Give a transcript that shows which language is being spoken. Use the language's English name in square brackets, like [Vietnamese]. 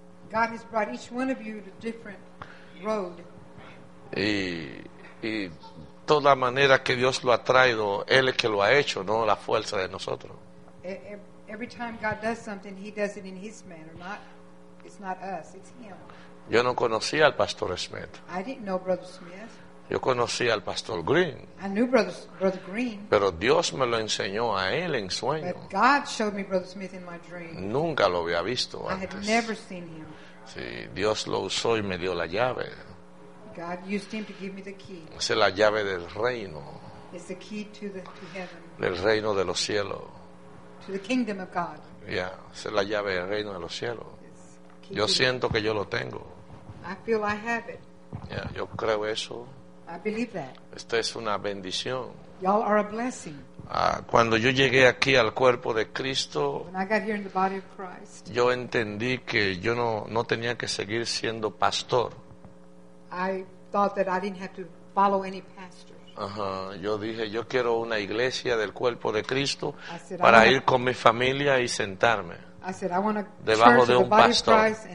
[English] God has brought each one of you to different road. [Spanish] Y toda manera que Dios lo ha traído, Él es que lo ha hecho, no la fuerza de nosotros. [English] Every time God does something, He does it in His manner. It's not us, it's Him. [Spanish] Yo no conocía al Pastor Smith. [English] I didn't know Brother Smith. [Spanish] Yo conocí al Pastor Green. [English] I knew Brother Green. [Spanish] Pero Dios me lo enseñó a él en sueño. [English] But God showed me Brother Smith in my dream. [Spanish] Nunca lo había visto antes. [English] I had never seen him. [Spanish] Sí, Dios lo usó y me dio la llave. [English] God used him to give me the key. [Spanish] Es la llave del reino. [English] It's the key to heaven. [Spanish] Del reino de los cielos. [English] To the kingdom of God. [Spanish] Yeah, es la llave del reino de los cielos. Yo siento que yo lo tengo. [English] I feel I have it. [Spanish] Yeah, yo creo eso. [English] I believe that. [Spanish] Esta es una bendición. [English] Y'all are a blessing. [Spanish] Cuando yo llegué aquí al cuerpo de Cristo, [English] when I got here in the body of Christ, [Spanish] yo entendí que yo no tenía que seguir siendo pastor. [English] I thought that I didn't have to follow any pastor. [Spanish] Yo dije, yo quiero una iglesia del cuerpo de Cristo para ir con mi familia y sentarme debajo de un pastor.